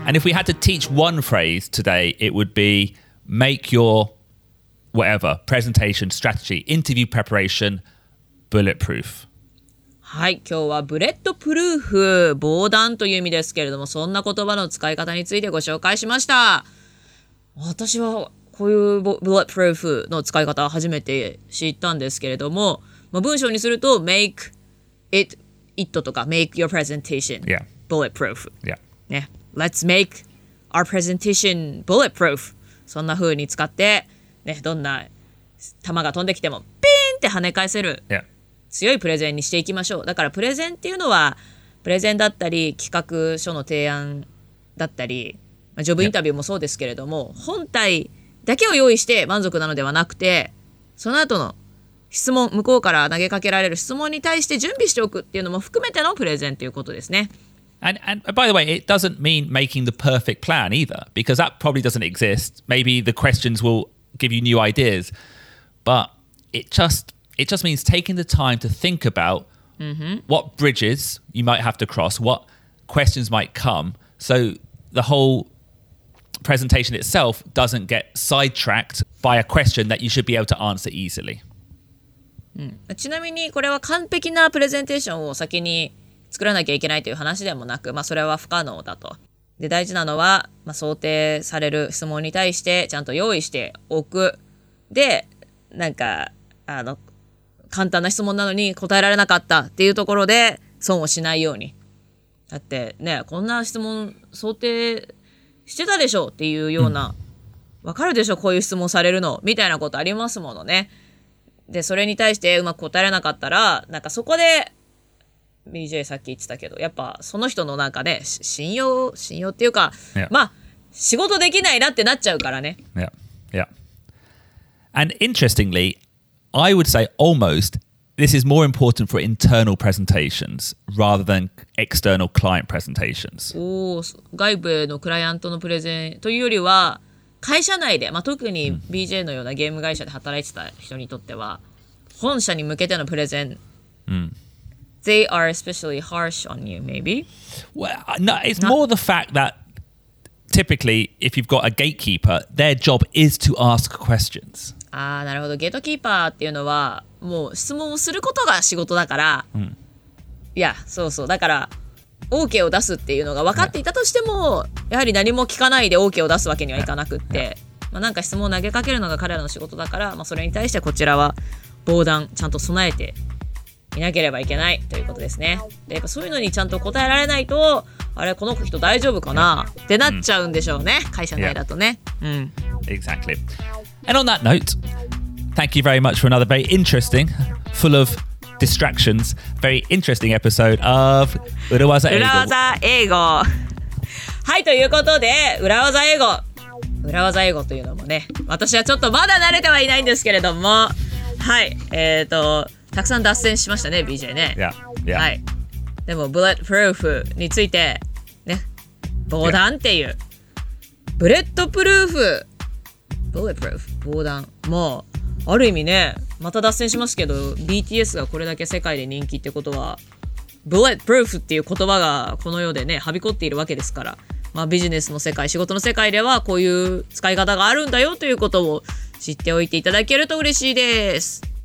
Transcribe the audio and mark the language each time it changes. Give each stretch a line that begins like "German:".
English: And if we had to teach one phrase today, it would be make your whatever presentation, strategy, interview preparation bulletproof.
Japanese: はい、今日はブレッドプルーフ、防弾という意味ですけれども、そんな言葉の使い方についてご紹介しました。私はこういうブレッドプルーフの使い方は初めて知ったんですけれども、まあ、文章にすると make itIt とか
English: make your presentation bulletproof、 yeah. ね、Let's make our presentation bulletproof。
Japanese: そんな風に使って、ね、どんな球が飛んできてもピーンって跳ね返せる、
English: yeah.
Japanese: 強いプレゼンにしていきましょう。だからプレゼンっていうのはプレゼンだったり企画書の提案だったり、まあ、ジョブインタビューもそうですけれども、
English: yeah.
Japanese: 本体だけを用意して満足なのではなくて、その後の質問、向こうから投げかけられる質問に対して準備しておくっていうのも含めてのプレゼンということですね。
English: And by the way, it doesn't mean making the perfect plan either, because that probably doesn't exist. Maybe the questions will give you new ideas, but it just means taking the time to think about、 mm-hmm. what bridges you might have to cross, what questions might come, so the whole presentation itself doesn't get sidetracked by a question that you should be able to answer easily.
Japanese: うん、ちなみにこれは完璧なプレゼンテーションを先に作らなきゃいけないという話でもなく、まあ、それは不可能だと。で、大事なのは、まあ、想定される質問に対してちゃんと用意しておく。で、なんか簡単な質問なのに答えられなかったっていうところで損をしないように。だってね、こんな質問想定してたでしょっていうような、わかるでしょこういう質問されるのみたいなことありますものね。で、それに対してうまく答えなかったら、なんかそこで、BJ さっき言ってたけど、やっぱその人のなんかね、信用っていうか、 yeah. まあ、仕事できないなってなっちゃうからね。
English: Yeah, yeah. And interestingly, I would say almost, this is more important for internal presentations rather than external client presentations.
Japanese: おー、外部のクライアントのプレゼンというよりは、会社内で、まあ、特に BJ のようなゲーム会社で働いてた人にとっては、本社に向けてのプレゼン、
English: They are especially harsh on you, maybe? Well, no, it's more the fact that typically, if you've got a gatekeeper, their job is to ask questions.
Japanese: ああ、なるほど。ゲートキーパーっていうのは、もう質問をすることが仕事だから、いや、そうそう。だから、OK を出すっていうのが分かっていたとしても、やはり何も聞かないで OK を出すわけにはいかなくって、まあ、なんか質問を投げかけるのが彼らの仕事だから、まあ、それに対してこちらは防弾ちゃんと備えていなければいけないということですね。で、やっぱそういうのにちゃんと答えられないと、あれこの人大丈夫かなってなっちゃうんでしょうね、会社内だとね。
English: Exactly. And on that note, thank you very much for another very interesting, full of distractions, very interesting episode of 裏技英語。
Japanese: 裏技英語。はい、ということで、裏技英語。裏技英語というのもね、私はちょっとまだ慣れてはいないんですけれども、はい、たくさん脱線しましたね、BJ ね。
English: Yeah, yeah.
Japanese: はい。でも、ブレッドプルーフについて、ね、防弾っていう、ブレッドプルーフ、ブレッドプルーフ、防弾、もう、ある意味ね、また脱線しますけど、BTS がこれだけ世界で人気ってことは、Bulletproof っていう言葉がこの世でね、はびこっているわけですから、まあビジネスの世界、仕事の世界ではこういう使い方があるんだよということを知っておいていただけると嬉しいです。